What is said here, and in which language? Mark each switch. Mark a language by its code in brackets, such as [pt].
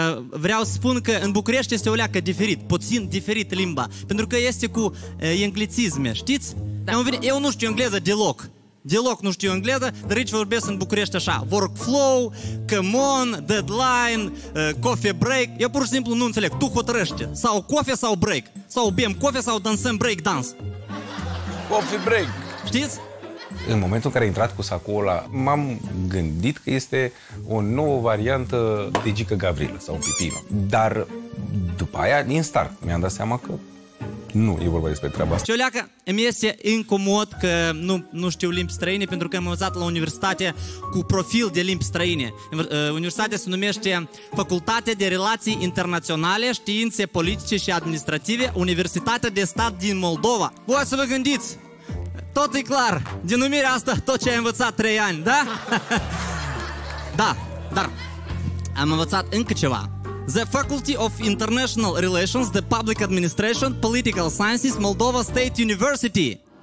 [ro] Vreau să spun că în București este o leacă diferit, puțin diferit limba. Pentru că este cu englicisme, știți? Da. Eu nu știu engleză deloc. Deloc nu știu engleză, dar aici vorbesc în București așa. [en] Workflow, come on, deadline, coffee break. [ro] Eu pur și simplu nu înțeleg. Tu hotărăște. Sau coffee sau break. Sau bem coffee sau dansăm break dance. [en] Coffee break. [ro] Știți? În momentul în care a intrat cu sacul ăla, m-am gândit că este o nouă variantă de Gică Gavrilă sau Pipino. Dar după aia, din start, mi-am dat seama că nu, e vorba despre treaba asta. Cioleacă, îmi este incomod că nu știu limbi străine, pentru că am învățat la universitate cu profil de limbi străine. Universitatea se numește Facultatea de Relații Internaționale, Științe Politice și Administrative, Universitatea de Stat din Moldova. Voi să vă gândiți, tot e clar, denumirea asta, tot ce ai învățat 3 ani, da? Da, dar am învățat încă ceva. [en] The Faculty of International Relations, the Public Administration, Political Sciences, Moldova State University.